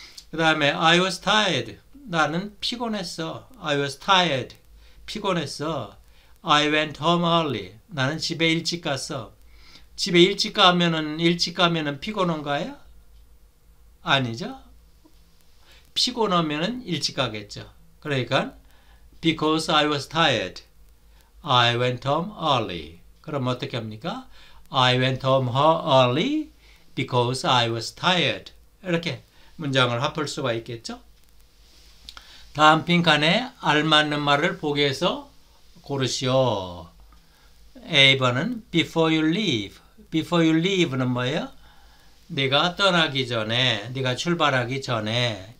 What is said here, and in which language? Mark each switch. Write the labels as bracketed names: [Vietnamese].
[Korean] 그 다음에 [English] I was tired. [Korean] 나는 피곤했어. [English] I was tired. [Korean] 피곤했어. [English] I went home early. [Korean] 나는 집에 일찍 갔어. 집에 일찍 가면은 피곤한가요? 아니죠. 피곤하면은 일찍 가겠죠. 그러니까 [English] because I was tired, I went home early. [Korean] 그럼 어떻게 합니까? [English] I went home early because I was tired. [Korean] 이렇게 문장을 합할 수가 있겠죠. 다음 빈칸에 알맞는 말을 보기에서 고르시오. [English] A번은 before you leave. Before you leave는 [Korean] 뭐예요? 네가 떠나기 전에, 네가 출발하기 전에.